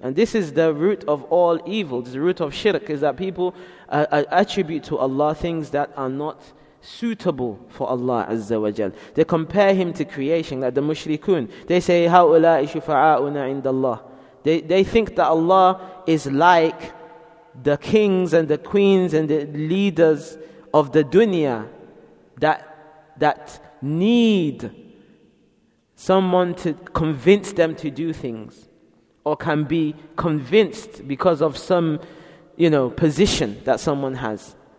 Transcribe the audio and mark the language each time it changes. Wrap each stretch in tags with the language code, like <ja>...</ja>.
<en>And this is the root of all evil. This is the root of shirk, is that people attribute to Allah things that are not suitable for Allah Azza wa Jal. They compare him to creation, like the mushrikun. They say,</en> <ar>هَؤُلَاءِ شُفَعَاءُنَا عِنْدَ اللَّهِ.</ar> <en>They think that Allah is like the kings and the queens and the leaders of the dunya that need someone to convince them to do things, or can be convinced because of some, you know, position that someone has.</en>